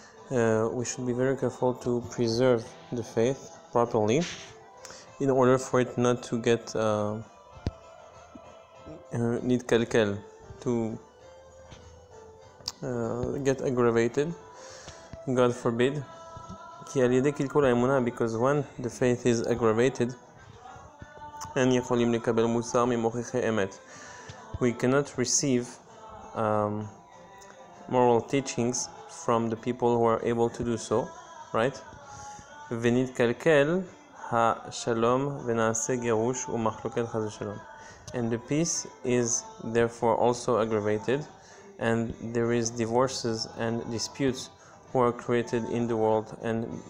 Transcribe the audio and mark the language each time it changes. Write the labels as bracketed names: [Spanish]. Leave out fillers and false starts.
[English] We should be very careful to preserve the faith properly in order for it not to get נתקלקל, to get aggravated, God forbid. [Hebrew] כי על ידי קלקול האמונה, [English] because when the faith is aggravated, [Hebrew] אין יכולים לקבל מוסר ממוכיחי אמת. [English] We cannot receive moral teachings from the people who are able to do so, right? [Hebrew] ונתקלקל השלום ונעשה גירוש ומחלוקת חז ושלום. [English] And the peace is therefore also aggravated, and there is divorces and disputes who are created in the world and